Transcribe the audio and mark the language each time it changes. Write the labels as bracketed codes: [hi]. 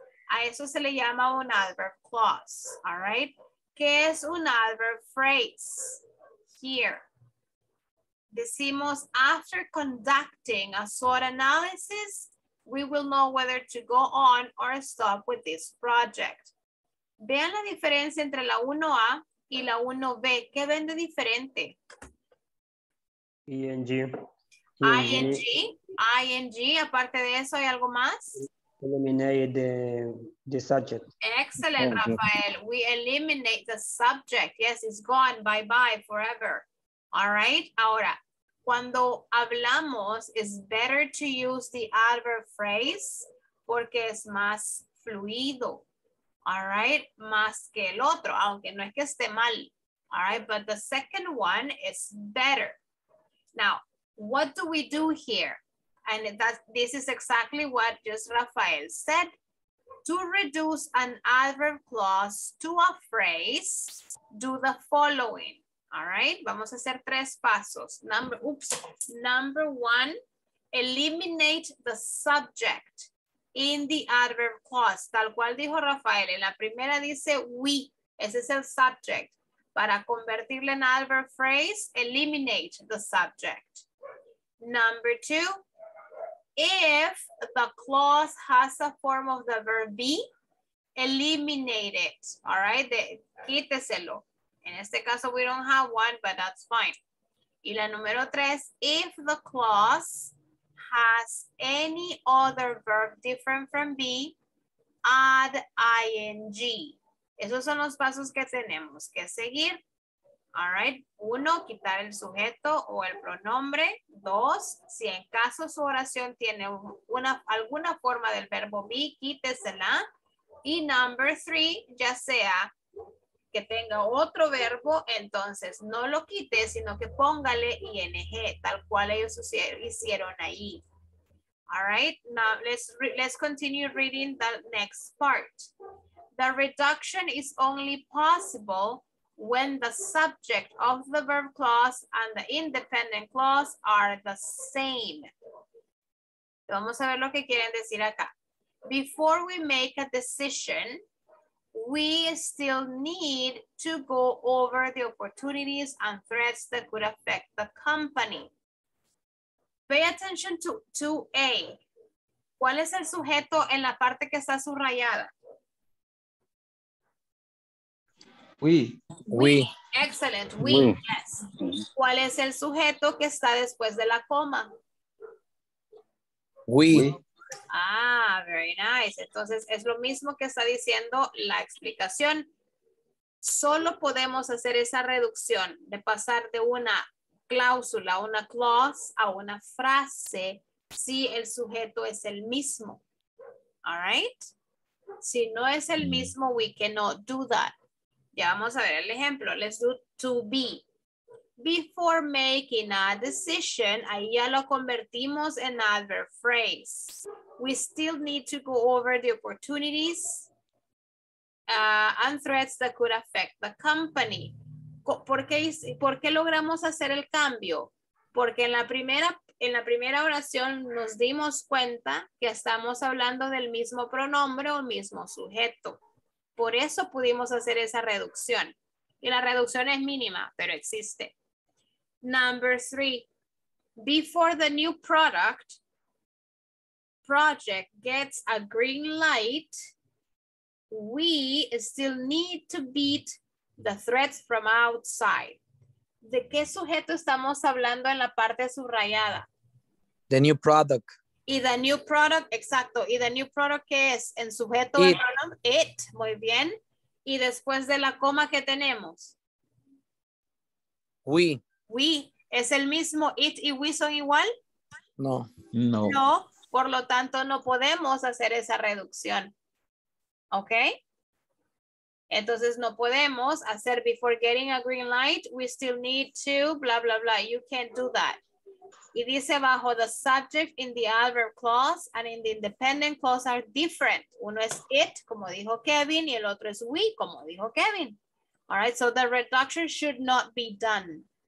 [es] A eso se le llama un adverb clause, [en] all right? [es] ¿Qué es un adverb phrase? Here. Decimos, [en] after conducting a SWOT analysis, we will know whether to go on or stop with this project. [es] Vean la diferencia entre la 1A y la 1B. ¿Qué ven de diferente? ING. ING. Aparte de eso, ¿hay algo más? [en] Eliminate the subject. Excellent, Rafael. We eliminate the subject. Yes, it's gone. Bye-bye forever. All right, [es] ahora. Cuando hablamos, [en] it's better to use the adverb phrase [es] porque es más fluido, [en] all right? Más que el otro, aunque no es que esté mal, all right? But the second one is better. Now, what do we do here? And this is exactly what just Rafael said. To reduce an adverb clause to a phrase, do the following. All right, [es] vamos a hacer tres pasos. [en] Number one, eliminate the subject in the adverb clause. [es] Tal cual dijo Rafael, en la primera dice we, ese es el subject. Para convertirlo en adverb phrase, [en] eliminate the subject. Number two, if the clause has a form of the verb be, eliminate it. All right, [es] quíteselo. [en] In [es] este caso, [en] we don't have one, but that's fine. [es] Y la número tres, [en] if the clause has any other verb different from be, add ing. [es] Esos son los pasos que tenemos que seguir. [en] All right. [es] Uno, quitar el sujeto o el pronombre. Dos, si en caso su oración tiene alguna forma del verbo be, quítesela. Y [en] number three, [es] ya sea que tenga otro verbo, entonces no lo quite, sino que póngale ing, tal cual ellos hicieron ahí. [en] All right, now let's continue reading the next part. The reduction is only possible when the subject of the verb clause and the independent clause are the same. [es] Vamos a ver lo que quieren decir acá. [en] Before we make a decision, we still need to go over the opportunities and threats that could affect the company. Pay attention to 2A. [es] ¿Cuál es el sujeto en la parte que está subrayada? [en] We. Excellent. We. Yes. [es] ¿Cuál es el sujeto que está después de la coma? [en] We. Ah, very nice. [es] Entonces, es lo mismo que está diciendo la explicación. Solo podemos hacer esa reducción de pasar de una cláusula, una clause, a una frase, si el sujeto es el mismo. [en] All right? [es] Si no es el mismo, [en] we cannot do that. [es] Ya vamos a ver el ejemplo. [en] Let's do to be. Before making a decision, [es] ahí ya lo convertimos en adverb phrase. [en] We still need to go over the opportunities and threats that could affect the company. [es] ¿Por qué logramos hacer el cambio? Porque en la primera oración nos dimos cuenta que estamos hablando del mismo pronombre o mismo sujeto. Por eso pudimos hacer esa reducción. Y la reducción es mínima, pero existe. [en] Number three, before the new project gets a green light, we still need to beat the threats from outside. [es] ¿De qué sujeto estamos hablando en la parte subrayada? [en] The new product. [es] Y the new product, exacto. ¿Y the new product qué es? En sujeto de pronombre, it, muy bien. ¿Y después de la coma qué tenemos? [en] We. We. [es] ¿Es el mismo it y we son igual? No. No. No. Por lo tanto, no podemos hacer esa reducción. [en] ¿Ok? [es] Entonces, no podemos hacer [en] before getting a green light, we still need to, blah, blah, blah. You can't do that. [es] Y dice bajo [en] the subject in the adverb clause and in the independent clause are different. [es] Uno es it, como dijo Kevin, y el otro es we, como dijo Kevin. [en] All right, so the reduction should not be done.